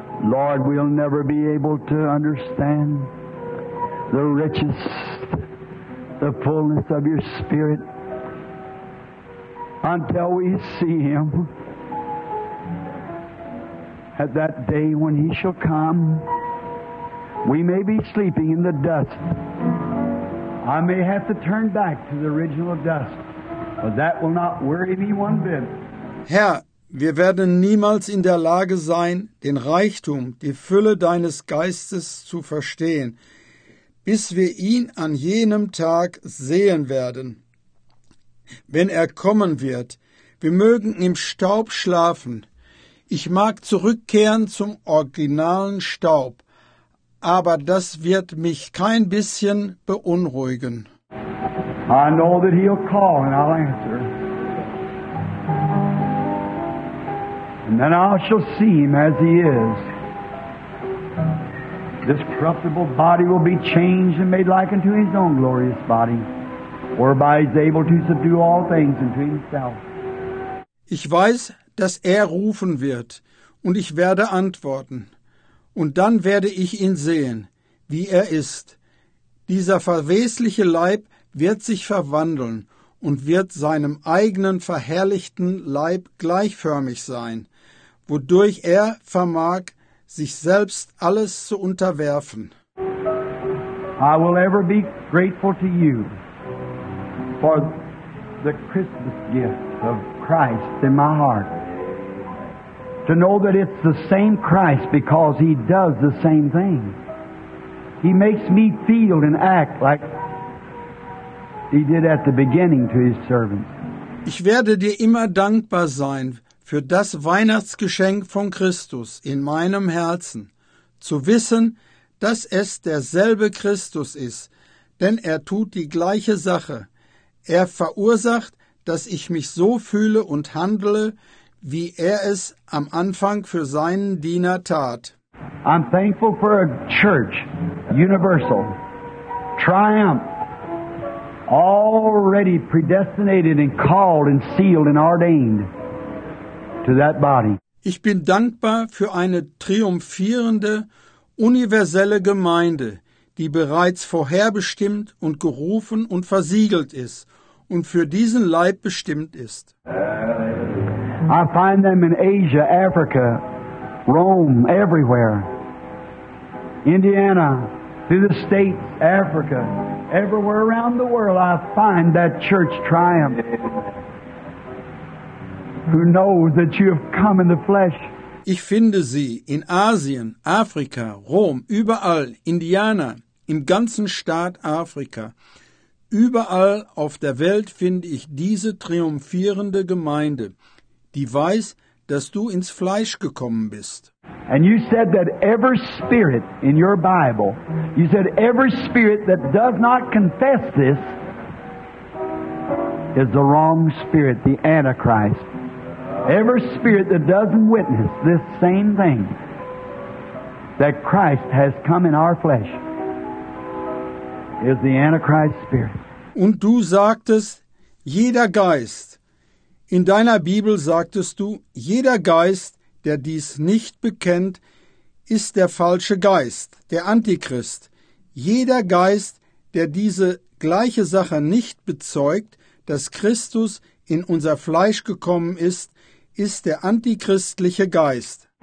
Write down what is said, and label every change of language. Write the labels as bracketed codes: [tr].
[en] Lord, we'll never be able to understand the riches, the fullness of your Spirit until we see him at that day when he shall come. We may be sleeping in the dust. I may have to turn back to the original dust, but that will not worry me one bit. [de] Herr, wir werden niemals in der Lage sein, den Reichtum, die Fülle deines Geistes zu verstehen, bis wir ihn an jenem Tag sehen werden. Wenn er kommen wird, wir mögen im Staub schlafen. Ich mag zurückkehren zum originalen Staub, aber das wird mich kein bisschen beunruhigen. [en] I know that he'll call and I'll answer. And then I shall see him as he is. This corruptible body will be changed and made like unto his own glorious body, whereby he's able to subdue all things unto himself. [de] Ich weiß, dass er rufen wird, und ich werde antworten. Und dann werde ich ihn sehen, wie er ist. Dieser verwesliche Leib wird sich verwandeln und wird seinem eigenen verherrlichten Leib gleichförmig sein, wodurch er vermag, sich selbst alles zu unterwerfen. [en] I will ever be grateful to you for the Christmas gift of Christ in my heart. To know that it's the same Christ because He does the same thing. He makes me feel and act like He did at the beginning to His servants. [de] Ich werde dir immer dankbar sein für das Weihnachtsgeschenk von Christus in meinem Herzen. Zu wissen, dass es derselbe Christus ist, denn er tut die gleiche Sache. Er verursacht, dass ich mich so fühle und handle, wie er es am Anfang für seinen Diener tat. [en] I'm thankful for a church, universal, triumph, already predestinated and called and sealed and ordained to that body. [de] Ich bin dankbar für eine triumphierende, universelle Gemeinde, die bereits vorherbestimmt und gerufen und versiegelt ist und für diesen Leib bestimmt ist. [en] I find them in Asia, Africa, Rome, everywhere. Indiana, through the States, Africa, everywhere around the world, I find that church triumph. Who knows that you have come in the flesh? [de] Ich finde sie in Asien, Afrika, Rom, überall, Indiana, im ganzen Staat Afrika. Überall auf der Welt finde ich diese triumphierende Gemeinde, die weiß, dass du ins Fleisch gekommen bist. [en] And you said that every spirit in your Bible, you said every spirit that does not confess this is the wrong spirit, the Antichrist. Every spirit that doesn't witness this same thing, that Christ has come in our flesh, is the Antichrist spirit. [de] Und du sagtest, jeder Geist, in deiner Bibel sagtest du, jeder Geist, der dies nicht bekennt, ist der falsche Geist, der Antichrist. Jeder Geist, der diese gleiche Sache nicht bezeugt, dass Christus in unser Fleisch gekommen ist, ist der antichristliche Geist.